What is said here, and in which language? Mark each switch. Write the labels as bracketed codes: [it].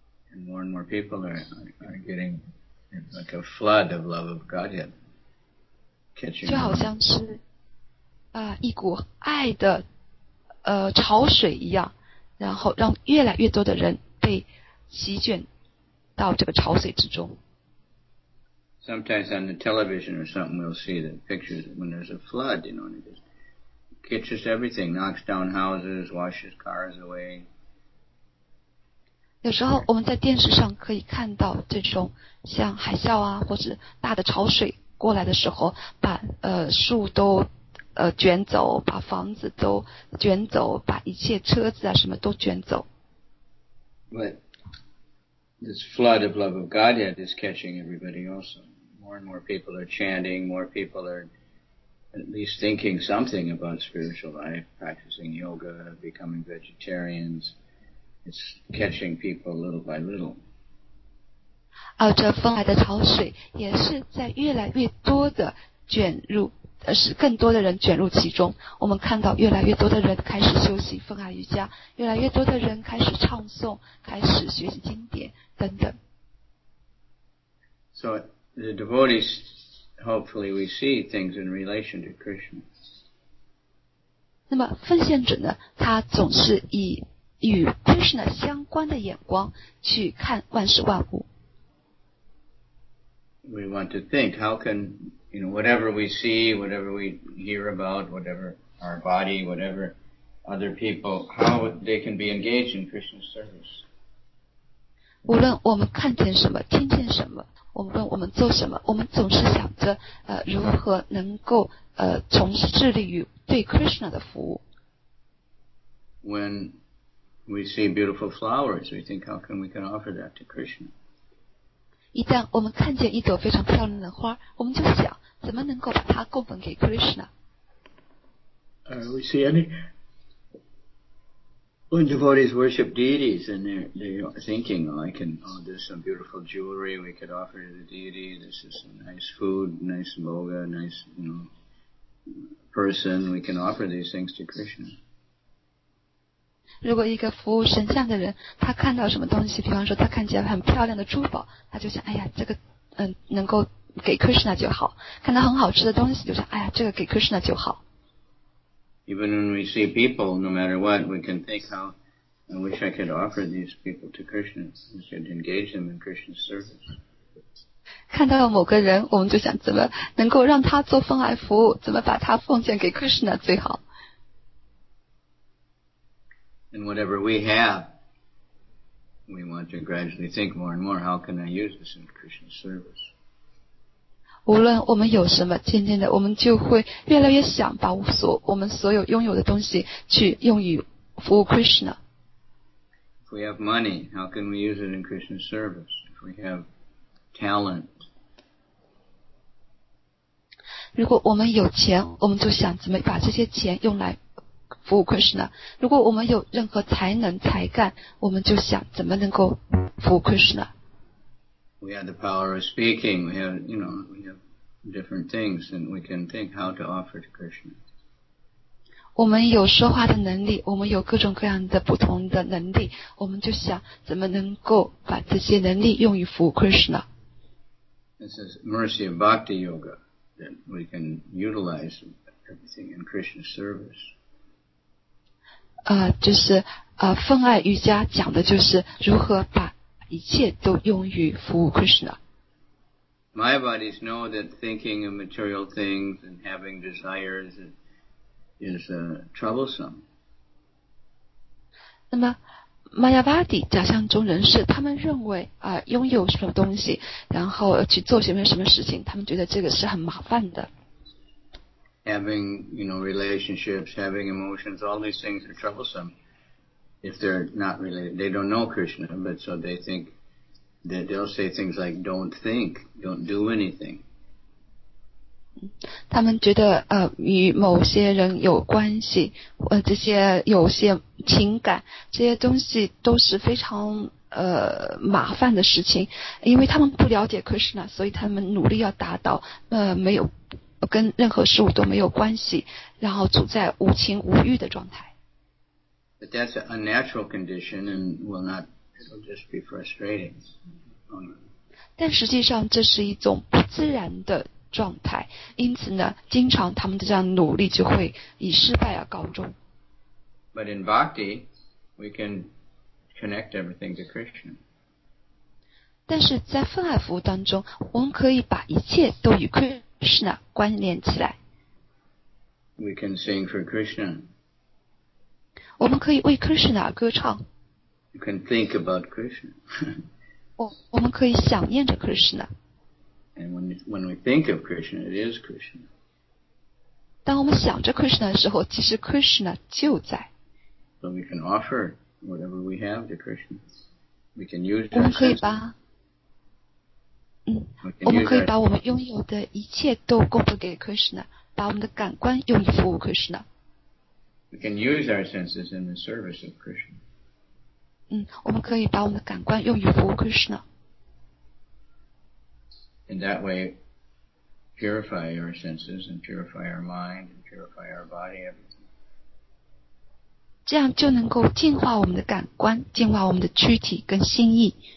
[en] And more and more people are getting like a flood of love of Godhead. [zh] 就好像是一股爱的潮水一样，然后让越来越多的人被席卷到这个潮水之中。 [en] Sometimes on the television or something we'll see the pictures when there's a flood, you know, and it just catches everything, knocks down houses, washes cars away. [zh] 有时候我们在电视上可以看到这种像海啸啊或者大的潮水过来的时候，把树都卷走，把房子都卷走，把一切车子啊什么都卷走。 [en] But this flood of love of Godhead is catching everybody also. More and more people are chanting, more people are at least thinking something about spiritual life, practicing yoga, becoming vegetarians. It's catching people little by little. [zh] 而这风来的潮水也是在越来越多的卷入，是更多的人卷入其中。我们看到越来越多的人开始修习风来瑜伽，越来越多的人开始唱诵，开始学习经典等等。 [en] So the devotees, hopefully we see things in relation to Krishna. [zh] 那么奉献者呢，他总是以与 Krishna 相关的眼光去看万事万物。 [en] We want to think, how can, you know, whatever we see, whatever we hear about, whatever our body, whatever other people, how they can be engaged in Krishna's service. [zh] 无论我们看见什么，听见什么，无论我们做什么，我们总是想着如何能够从事致力于对 Krishna 的服务。 [en] When we see beautiful flowers, we think, how come we can offer that to Krishna? [zh] 一旦我们看见一朵非常漂亮的花，我们就想怎么能够把它供奉给 Krishna。 [en] We see any when devotees worship deities, and they're thinking, oh, I can, oh, there's some beautiful jewelry we could offer to the deity. This is some nice food, nice bhoga, nice, you know, person. We can offer these things to Krishna. [zh] 如果一个服务神像的人，他看到什么东西，比方说他看见很漂亮的珠宝，他就想，哎呀，这个能够给 Krishna 就好。看到很好吃的东西，就想，哎呀，这个给 Krishna 就好。 [en] Even when we see people, no matter what, we can think how I wish I could offer these people to Krishna instead of engage them in Krishna's service. [zh] 看到某个人，我们就想怎么能够让他做奉爱服务，怎么把他奉献给 Krishna 最好。 [en] And whatever we have, we want to gradually think more and more, how can I use this in Krishna's service? [zh] 无论我们有什么，渐渐的我们就会越来越想把我们所有拥有的东西去用于服务 Krishna. [en] If we have money, how can we use it in Krishna's service? If we have talent. [zh] 如果我们有钱，我们就想怎么把这些钱用来服务 Krishna. 如果我们有任何才能才干，我们就想怎么能够服务 Krishna. [en] We have the power of speaking. We have, you know, we have different things, and we can think how to offer to Krishna. [zh] 我们有说话的能力，我们有各种各样的不同的能力，我们就想怎么能够把这些能力用于服务 Krishna. [en] This is mercy of bhakti yoga that we can utilize everything in Krishna's service. [zh] 就是奉爱瑜伽讲的就是如何把一切都用于服务 Krishna. [en] My bodies know that thinking of material things and having desires is troublesome. [zh] 那么 Mayavadi 假象中人士，他们认为拥有什么东西，然后去做些什么事情，他们觉得这个是很麻烦的。 [en] Having, you know, relationships, having emotions, all these things are troublesome if they're not related. They don't know Krishna, but so they think that they'll say things like, don't think, don't do anything. [zh] 他们觉得与某些人有关系，这些有些情感，这些东西都是非常麻烦的事情，因为他们不了解 Krishna, 所以他们努力要达到没有跟任何事物都没有关系，然后处在无情无欲的状态。 [en] But that's an unnatural condition and will not, it'll just be frustrating. [zh] 但实际上这是一种不自然的状态，因此呢，经常他们的这样努力就会以失败而告终。 [en] But in bhakti, we can connect everything to Krishna. [zh] 但是在奉爱服务当中，我们可以把一切都与 Krishna 关联起来。 [en] We can sing for Krishna. [zh] 我们可以为 Krishna 歌唱。 [en] You can think about Krishna. [zh] 我们可以想念着 Krishna. [en] And when we think of Krishna, it is Krishna. [zh] 当我们想着 Krishna 的时候，其实 Krishna 就在。 [en] So we can offer whatever we have to Krishna. We can use. [zh] 我们可以把。我们可以把我们拥有的一切都供奉给 Krishna， 把我们的感官用于服务 Krishna。 [en] We can use our senses in the service of Krishna。 [zh] 我们可以把我们的感官用于服务 Krishna。 [en] In that way, purify our senses and purify our mind and purify our body. [zh] 这样就能够净化我们的感官，净化我们的躯体跟心意。